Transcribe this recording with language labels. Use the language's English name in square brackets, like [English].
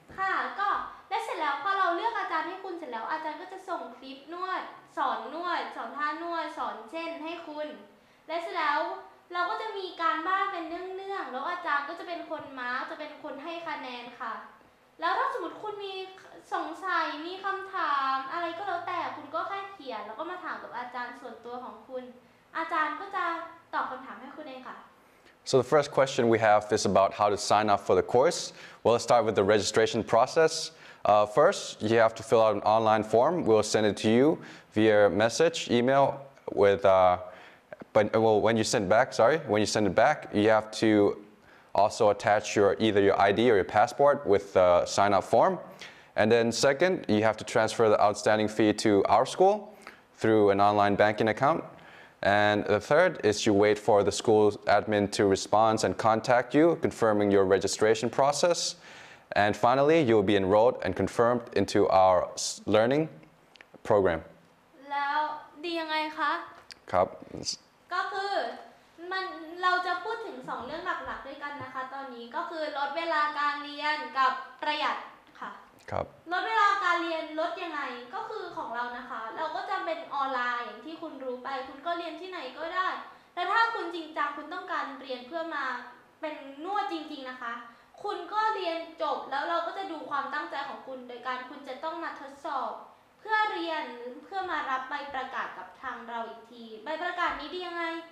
[Thai] ค่ะก็และเสร็จแล้วพอเราเลือกอาจารย์ให้คุณเสร็จแล้วอาจารย์ก็จะส่งคลิปนวดสอนนวดสอนท่านวดสอนเช่นให้คุณและเสร็จแล้วเราก็จะมีการบ้านเป็นเนื่องๆแล้วอาจารย์ก็จะเป็นคนมาร์กจะเป็นคนให้คะแนนค่ะแล้วถ้าสมมติคุณมีสงสัยมีคำถามอะไรก็แล้วแต่คุณก็แค่เขียนแล้วก็มาถามกับอาจารย์ส่วนตัวของคุณอาจารย์ก็จะตอบคำถามให้คุณเองค่ะ [English] So the first question we have is about how to sign up for the course. Well, let's start with the registration process. First, you have to fill out an online form. We'll send it to you via message, email with when you send it back, you have to also attach either your ID or your passport with the sign up form. And then second, you have to transfer the outstanding fee to our school through an online banking account. And the third is you wait for the school admin to respond and contact you, confirming your registration process. And finally, you will be enrolled and confirmed into our learning program. [Thai] แล้วดียังไงคะ ครับ ก็คือมันเราจะพูดถึง2เรื่องหลักๆด้วยกันนะคะตอนนี้ก็คือลดเวลาการเรียนกับประหยัดค่ะ ครับ ลดเวลาการเรียนลดยังไงก็คือของเรานะคะเราก็จะเป็นออนไลน์ที่คุณรู้ไปคุณก็เรียนที่ไหนก็ได้แต่ถ้าคุณจริงจังคุณต้องการเรียนเพื่อมาเป็นนวดจริงๆนะคะคุณก็เรียนจบแล้วเราก็จะดูความตั้งใจของคุณโดยการคุณจะต้องมาทดสอบเพื่อเรียนเพื่อมารับใบประกาศกับทางเราอีกทีใบประกาศนี้ดียังไง